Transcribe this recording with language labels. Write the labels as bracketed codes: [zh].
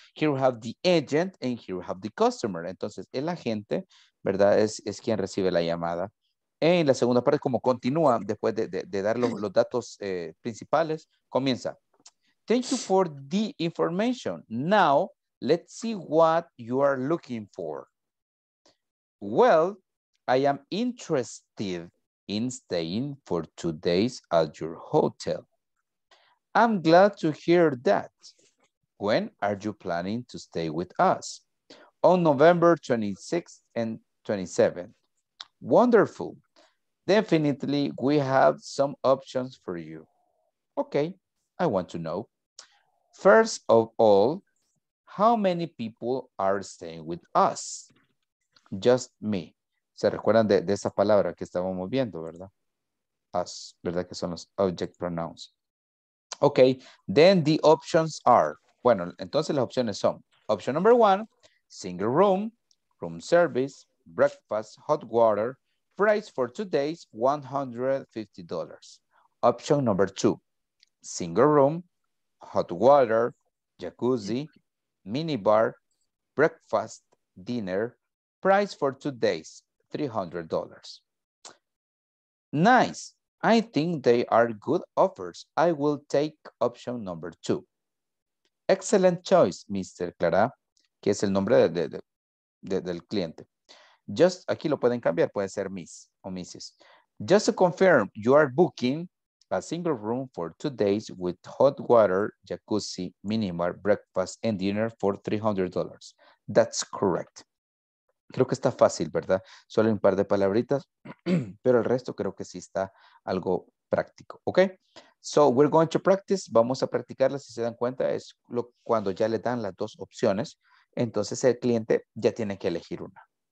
[en] Here we have the agent and here we have the customer. [es] Entonces, el agente, ¿verdad? Es quien recibe la llamada. En la segunda parte, como continúa después de dar los datos principales, comienza. [en] Thank you for the information. Now, let's see what you are looking for. Well, I am interested in staying for 2 days at your hotel. I'm glad to hear that. When are you planning to stay with us? On November 26th and 27th. Wonderful. Definitely, we have some options for you. Okay, I want to know. First of all, how many people are staying with us? Just me. [es] ¿Se recuerdan de esa palabra que estábamos viendo, verdad? [en] Us, [es] ¿verdad? Que son los [en] object pronouns. Okay, then the options are, [es] bueno, entonces las opciones son, [en] option number one, single room, room service, breakfast, hot water, price for 2 days, $150. Option number two, single room, hot water, jacuzzi, mini bar, breakfast, dinner, price for 2 days, $300. Nice. I think they are good offers. I will take option number 2. Excellent choice, [es] Mr. Clara, que es el nombre del cliente. [en] Just, [es] aquí lo pueden cambiar, puede ser Miss o Mrs. [en] Just to confirm, you are booking a single room for 2 days with hot water, jacuzzi, minibar, breakfast, and dinner for $300. That's correct. [es] Creo que está fácil, ¿verdad? Solo un par de palabritas, pero el resto creo que sí está algo práctico. Ok. [en] So we're going to practice. [es] Vamos a practicarla, si se dan cuenta. Es lo, cuando ya le dan las dos opciones, entonces el cliente ya tiene que elegir una.